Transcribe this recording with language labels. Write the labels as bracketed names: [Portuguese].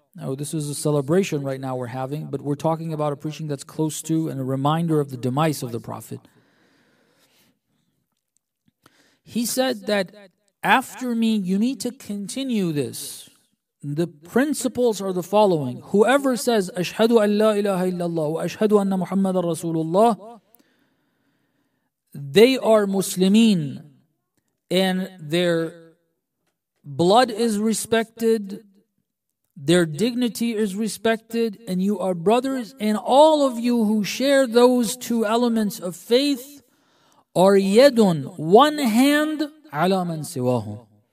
[English] Now, this is a celebration right now we're having, but we're talking about a preaching that's close to and a reminder of the demise of the Prophet. He said that after me, you need to continue this. The principles are the following. Whoever says, [Arabic] أَشْهَدُ أَنْ لَا إِلَهَ إِلَّا اللَّهُ وَأَشْهَدُ أَنَّ مُحَمَّدًا رَسُولُ اللَّهُ [English] They are Muslimin, and their blood is respected, their dignity is respected, and you are brothers, and all of you who share those two elements of faith are yadun, one hand, [Arabic] ala man siwahum,